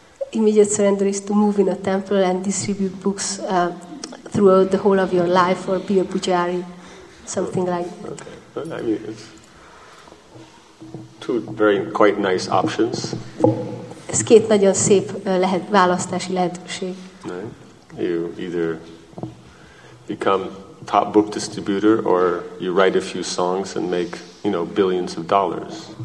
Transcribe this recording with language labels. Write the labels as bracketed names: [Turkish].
[English] Immediate surrender is to move in a temple and distribute books throughout the whole of your life, or be a pujari, something like that. Okay, I mean, it's two very quite nice options. [Hungarian] Ez két nagyon szép lehet választási lehetőség. [English] Right. You either become top book distributor, or you write a few songs and make, you know, billions of dollars.